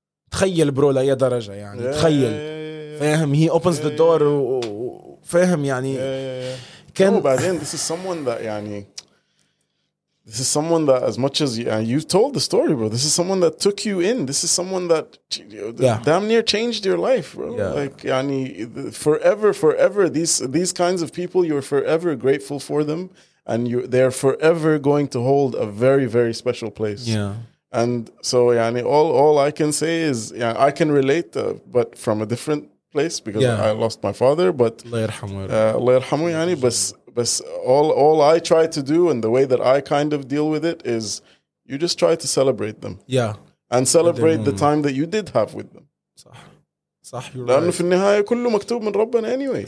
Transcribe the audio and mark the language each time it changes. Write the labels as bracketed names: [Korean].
[Arabic] تخيل برو لأي درجة يعني تخيل فاهم. [English] He opens the door [Arabic] فاهم يعني كان. [English] No, but then this is someone that [Arabic] يعني [English] this is someone that as much as you've told the story, bro. This is someone that took you in. This is someone that damn near changed your life, bro. Yeah. Like, yani, forever, these kinds of people, you're forever grateful for them. And they're forever going to hold a very, very special place. Yeah. And so, yani, all I can say is, yeah, I can relate, but from a different place because I lost my father. But [Arabic] Allah yarhamu, yani, but... [English] But all I try to do and the way that I kind of deal with it is you just try to celebrate them. Yeah. And celebrate the time that you did have with them. [Arabic] صح. صح, [English] you're right. [Arabic] لأنه في النهاية كله مكتوب من ربنا anyway.